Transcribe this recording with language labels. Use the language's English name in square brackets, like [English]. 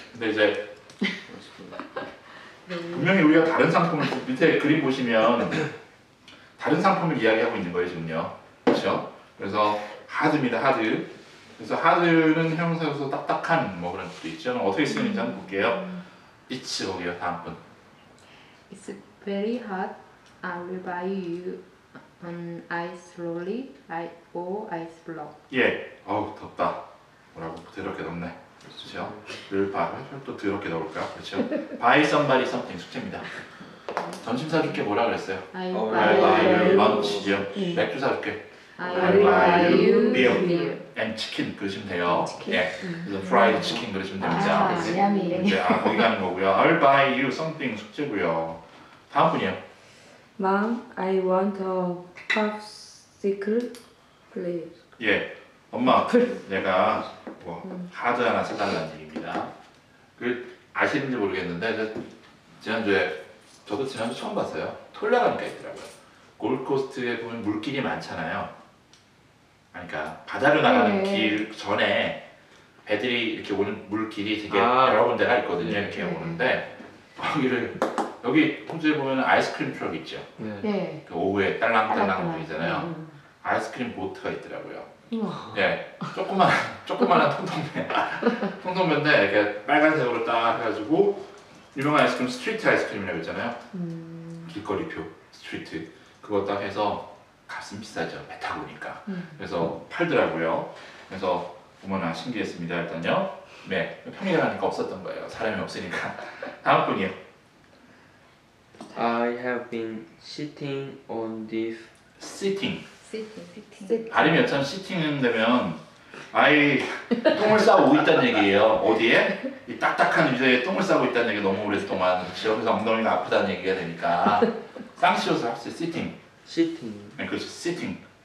[Korean] 근데 이제 분명히 우리가 다른 상품을 밑에 그림 보시면 다른 상품을 이야기하고 있는 거예요 지금요. 그렇죠? 그래서 하드입니다. 하드. 그래서 하드는 형용사로서 딱딱한 뭐 그런 것도 있죠. 어떻게 쓰는지 한번 볼게요. It's 거기요. 다음 분. [English] It's very hot. I will buy you an ice lolly or ice block. [Korean] 예. 어우 덥다. 뭐라고 더럽게 덥네. 그렇죠? 를 바로 또 더럽게 넣을까? 그렇죠? [English] Buy somebody something. [Korean] 숙제입니다. 점심 사줄게 뭐라 그랬어요? [English] I buy you lunch죠. [Korean] 맥주 사줄게. [English] I will buy you beer and chicken [Korean] 그러시면 돼요. 예, 그래서 fried chicken 그러시면 됩니다. 아, 이제 네. 아, 거기 가는 거고요. [English] I'll buy you something 숙제고요. [Korean] 다음 분이요. [English] Mom, I want a popsicle, please. [Korean] 예, 엄마, 내가 뭐 하드 하나 사달라는 얘기입니다. 그 아시는지 모르겠는데 저도 지난주 처음 봤어요. 톨라라는 게 있더라고요. 골드코스트에 보면 물길이 많잖아요. 그러니까 바다로 나가는 네. 길 전에 배들이 이렇게 오는 물길이 되게 여러 군데가 있거든요. 네. 이렇게 오는데 거기를 여기 홍주에 보면 아이스크림 트럭 있죠. 네. 그 오후에 딸랑딸랑 보이잖아요. 아이스크림 보트가 있더라고요. 우와. 예, 조그만한 통통배. 통통배인데, 이렇게 빨간색으로 딱 해가지고, 유명한 아이스크림, 스트리트 아이스크림이라고 했잖아요. 길거리표, 스트리트. 그거 딱 해서, 값은 비싸죠. 메타고니까. 그래서 팔더라고요. 그래서, 어머나, 신기했습니다. 일단요. 네, 평일이라니까 없었던 거예요. 사람이 없으니까. 다음 분이요. [English] I have been sitting on this. Sitting. [Korean] 발음이 어쩜 sitting 되면 아이 똥을 싸고 있다는 얘기예요. 어디에? 이 딱딱한 위에 똥을 싸고 있다는 얘기. 너무 오랫동안 지역에서 엉덩이가 아프다는 얘기가 되니까 쌍시옷을 할 수 있어요. [English] Sitting. Sitting. [Korean] 네, 그렇죠. Sitting.